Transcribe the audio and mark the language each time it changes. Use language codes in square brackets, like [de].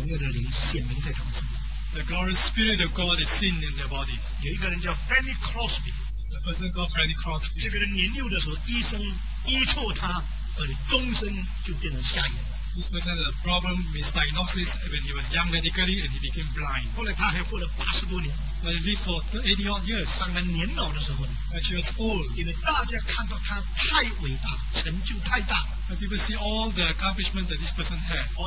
[zh] 就是荣耀的灵，上帝荣耀的灵显明在他们身上。The [en] glorious spirit of God is seen in their bodies. [zh] 有一个人叫 Fanny Crosby, [en] a person called Fanny Crosby. [zh] 这个人年幼的时候，医生医错他，而终身就变成瞎眼了。This [en] person had a problem with diagnosis when he was young medically, and he became blind. [zh] 后来他还活了80多年。 [en] When he lived for 80 odd years, [zh] 当他年老的时候呢, [en] when she was old, [zh] 因为大家看到他太伟大，成就太大, [en] when people see all the accomplishments that this person had,